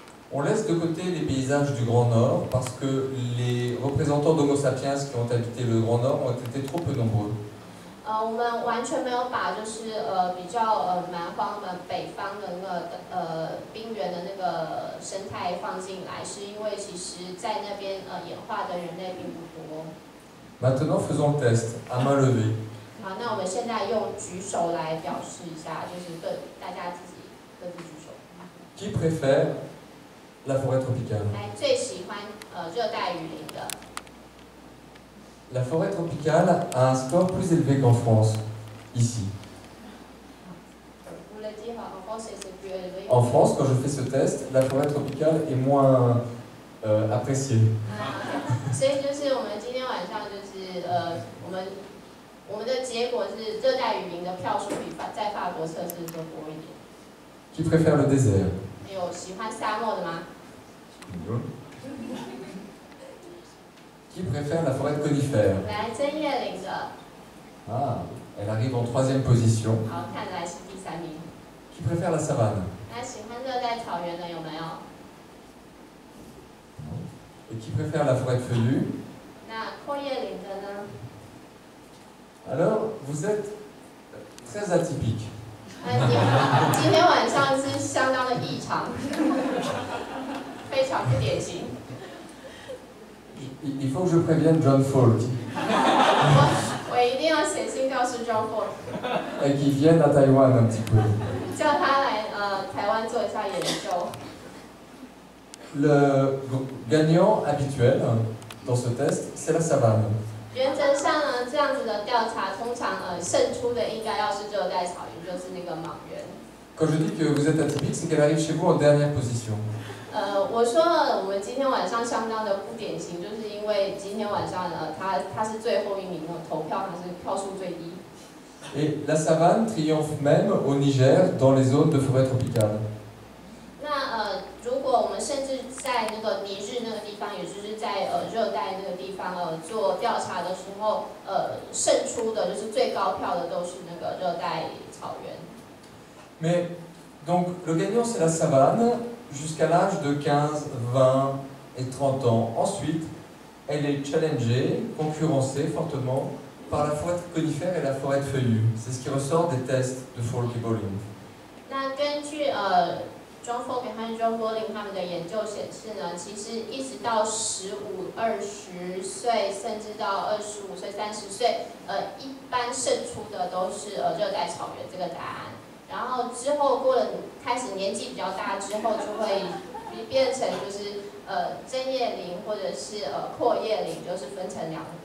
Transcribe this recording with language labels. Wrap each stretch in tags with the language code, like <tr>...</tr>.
<fr>On laisse de côté les paysages du Grand Nord parce que les représentants d'Homo sapiens qui ont habité le Grand Nord ont été trop peu nombreux.</fr> <zh>我们完全没有把就是比较蛮荒的北方的那个冰原的那个生态放进来，是因为其实在那边演化的人类并不多。</zh> <fr>Maintenant, faisons le test à main levée.</fr> <zh>好，那我们现在用举手来表示一下，就是大家自己举手。</zh> <fr>Qui préfère la forêt tropicale?</fr> <zh>最喜欢热带雨林的。</zh> <fr>La forêt tropicale a un score plus élevé qu'en France, ici. Vous l'avez dit, en France, c'est plus élevé. En France, quand je fais ce test, la forêt tropicale est moins appréciée.</fr> <zh>所以就是我们今天晚上就是我们的结果是热带雨林的票数比在法国测试都多一点。</zh> <fr>Qui préfère le désert?</fr> <zh>你有喜欢沙漠的吗？有。</zh> <fr>Qui préfère la forêt de conifères?</fr> <zh>来针叶林的。</zh> <fr>Ah, elle arrive en troisième position.</fr> <zh>好，看来是第三名。</zh> <fr>Qui préfère la savane?</fr> <zh>那喜欢热带草原的有没有？</zh> <fr>Et qui préfère la forêt feuillue?</fr> <zh>那阔叶林的呢？</zh> <fr>Alors, vous êtes très atypique.</fr> <zh>今天晚上是相当的异常，非常不典型。</zh> <fr>Il faut que je prévienne John Folk.</fr> <zh>我一定要写信告诉 John Folk.</zh> <fr>Et qu'il vienne à Taïwan un petit peu.</fr> <zh>叫他来台湾做一下研究。</zh> <fr>Le gagnant habituel dans ce test, c'est la savane.</fr> <zh>原则上呢，这样子的调查通常胜出的应该要是热带草原，就是那个莽原。</zh> <fr>Quand je dis que vous êtes atypique, c'est qu'elle arrive chez vous en dernière position.</fr> <zh>我说我们今天晚上相当的不典型，就是因为今天晚上他是最后一名，投票他是票数最低。</zh> <fr>Et la savane triomphe même au Niger dans les zones de forêt tropicale.</fr> <zh>那如果我们甚至在那个尼日那个地方，也就是在热带那个地方做调查的时候，胜出的就是最高票的都是那个热带草原。</zh> <fr>Mais donc le gagnant c'est la savane jusqu'à l'âge de 15, 20 et 30 ans. Ensuite, elle est challengée, concurrencée fortement. par la forêt conifère et la forêt feuillue. C'est ce qui ressort des tests de Falk et Bolling.</fr> <zh>那根据John Falk 和 John Bolling 他们的研究显示呢，其实一直到15、20岁，甚至到25岁、30岁，一般胜出的都是热带草原这个答案。然后之后过了开始年纪比较大之后，就会变成就是针叶林或者是阔叶林，就是分成两。</zh>